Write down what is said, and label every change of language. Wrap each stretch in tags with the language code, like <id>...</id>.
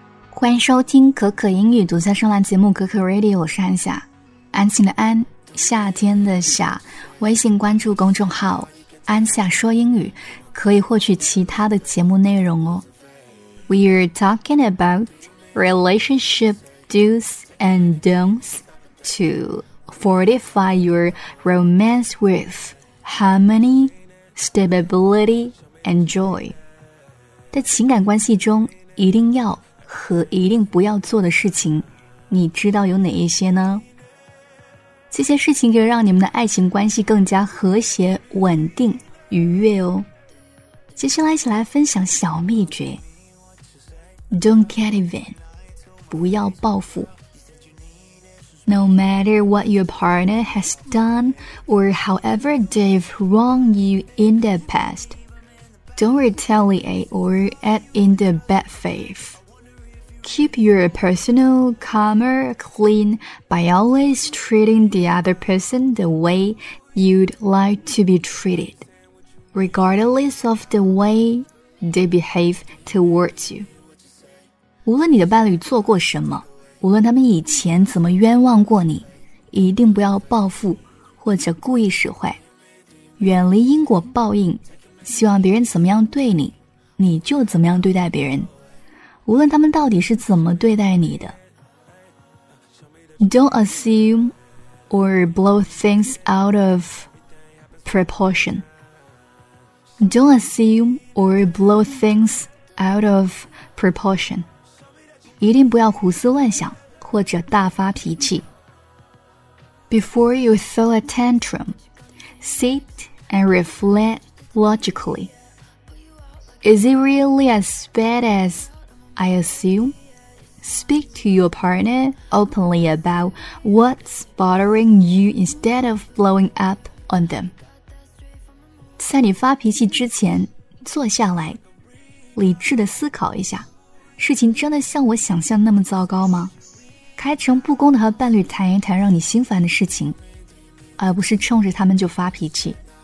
<zh>欢迎收听可可英语独家声浪节目可可 Radio， 我是安夏，安静的安，夏天的夏。微信关注公众号安夏说英语，可以获取其他的节目内容哦。</zh> <en>We're talking about relationship do's and don'ts to fortify your romance with harmony, stability, and joy.</en> <zh>在情感关系中一定要和一定不要做的事情，你知道有哪一些呢？这些事情可以让你们的爱情关系更加和谐、稳定、愉悦哦。接下来一起来分享小秘诀。</zh> <en>Don't get even，</en> <zh>不要报复。</zh> <en>No matter what your partner has done or however they've wronged you in the past, don't retaliate or add in the bad faith. Keep your personal karma clean by always treating the other person the way you'd like to be treated, regardless of the way they behave towards you.</en> <zh>无论你的伴侣做过什么，无论他们以前怎么冤枉过你，一定不要报复或者故意使坏，远离因果报应。希望别人怎么样对你，你就怎么样对待别人，无论他们到底是怎么对待你的。</zh> <en>Don't assume or blow things out of proportion. Don't assume or blow things out of proportion.</en> <zh>一定不要胡思乱想或者大发脾气。</zh> <en>Before you throw a tantrum, sit and reflect logically. Is it really as bad as I assume? Speak to your partner openly about what's bothering you instead of blowing up on them.</en> <zh>在你发脾气之前，坐下来，理智地思考一下。事情真的像我想象那么糟糕吗？开诚布公地和伴侣谈一谈让你心烦的事情，而不是冲着他们就发脾气。</zh>